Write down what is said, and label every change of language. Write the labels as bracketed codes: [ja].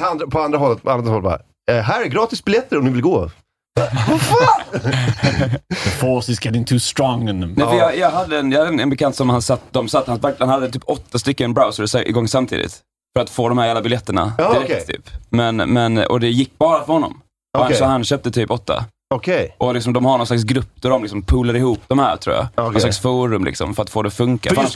[sv] På andra håll bara, här är gratis biljetter om ni vill gå. [en] The force is getting too strong in them. [sv] Nej, för jag hade en bekant som han hade typ 8 stycken browser igång samtidigt för att få de här jävla biljetterna direkt. Men och det gick bara för honom. Okay. Så han köpte typ 8. Okay. Och liksom, de har någon slags grupp där de liksom poolar ihop de här, tror jag. Okay. Någon slags forum liksom, för att få det att funka.